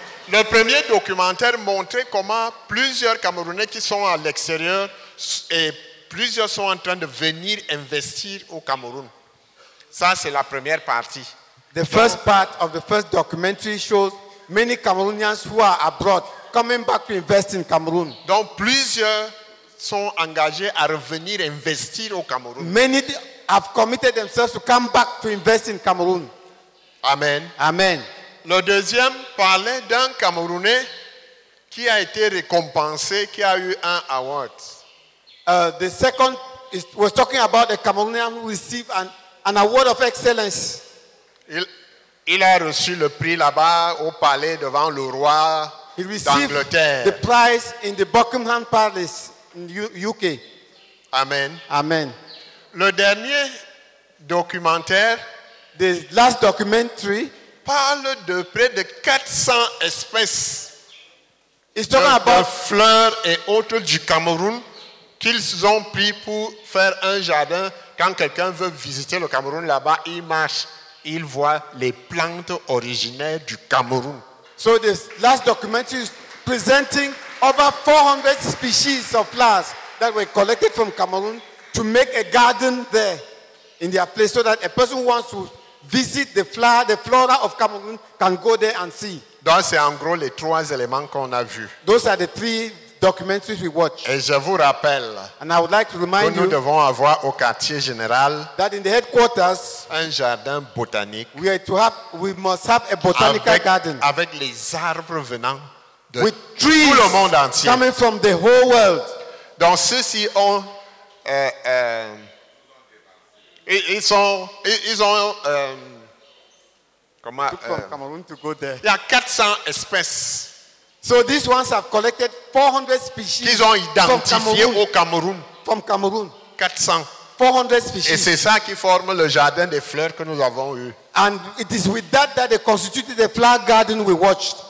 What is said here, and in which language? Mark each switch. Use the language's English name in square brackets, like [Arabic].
[French] Le premier documentaire montrait comment plusieurs Camerounais qui sont à l'extérieur et plusieurs sont en train de venir investir au Cameroun. Ça, c'est la première partie. [English] The first part of the first documentary shows many Cameroonians who are abroad coming back to invest in Cameroon. [French] Donc plusieurs sont engagés à revenir investir au Cameroun. [English] Many have committed themselves to come back to invest in Cameroon. Amen. Amen. [French] Le deuxième parlait d'un Camerounais qui a été récompensé, qui a eu un award. [English] The second was talking about a Cameroonian who received an award of excellence. [French] Il a reçu le prix là-bas au palais devant le roi d'Angleterre. [English] He received the prize in the Buckingham Palace in UK. Amen. Amen. [French] Le dernier documentaire, [English] the last documentary, [French] parle de près de 400 espèces. [English] It's talking about [French] fleurs et autres du Cameroun qu'ils ont pris pour faire un jardin. Quand quelqu'un veut visiter le Cameroun là-bas, il marche. Il voit les plantes originaires du Cameroun. [English] So this last documentary is presenting over 400 species of plants that were collected from Cameroon to make a garden there in their place so that a person who wants to visit the flora of Cameroon can go there and see. [French] Donc c'est en gros les trois éléments qu'on a vus. [English] Those are the three documentaries we watch. [French] Et je vous rappelle, [English] and I would like to remind [French] que nous [English] you [French] devons avoir au quartier général [English] that in the headquarters, [French] un jardin botanique, [English] we are to have, we must have a botanical [French] avec, [English] garden [French] avec les arbres venant de [English] with trees [French] tout le monde entier [English] coming from the whole world. [French] Donc ceux-ci ont il y a 400 espèces. [English] So these ones have collected 400 species. [French] Ils ont identifié au Cameroun. [English] From Cameroun. [French] 400. [English] 400 species. [French] Et c'est ça qui forme le jardin des fleurs que nous avons eu. [English] And it is with that that they constituted the flower garden we watched.